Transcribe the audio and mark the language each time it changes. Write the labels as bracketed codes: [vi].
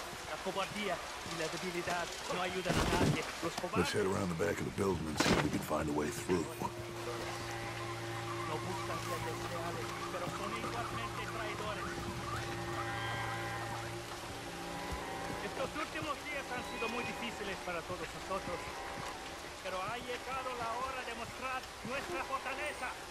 [es] La cobardía y la debilidad no ayudan a nadie. Los cobardes. [en] Let's head around the back of the building and see if we can find a way through. [es] No buscan ser desleales, pero son igualmente traidores. Estos últimos días han sido muy difíciles para todos nosotros, pero ha llegado la hora de mostrar nuestra fortaleza.